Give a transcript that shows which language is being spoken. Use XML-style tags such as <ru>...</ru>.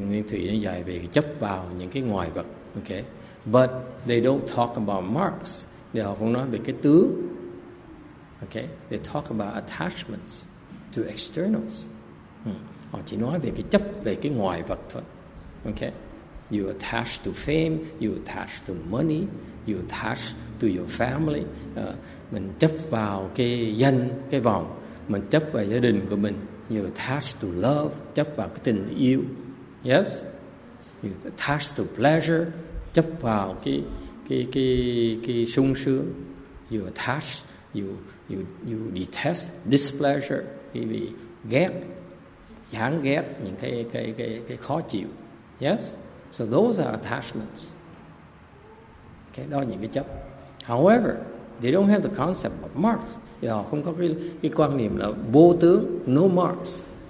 <vi>Nguyên Thủy nó dạy về chấp vào những cái ngoài vật. Okay.</vi> <en>But they don't talk about marks.</en> <vi>Thì họ không nói về cái tướng. Okay,</vi> <en>they talk about attachments to externals.</en> <vi>Họ chỉ nói về cái chấp về cái ngoài vật thôi.</vi> <en>Okay, you attach to fame, you attach to money, you attach to your family.</en> <vi>Mình chấp vào cái danh, cái vọng. Mình chấp vào gia đình của mình.</vi> <en>You attach to love,</en> <vi>chấp vào cái tình yêu.</vi> <en>Yes, you attach to pleasure,</en> <vi>chấp vào cái sung sướng.</vi> <en>You attach, you detest displeasure,</en> <vi>quý vị ghét, chán ghét những cái khó chịu.</vi> <en>Yes, so those are attachments.</en> <vi>Okay, đó là những cái chấp.</vi> <en>However, they don't have the concept of marks.</en> <vi>Thì họ không có cái quan niệm là vô tướng, no marks.</vi>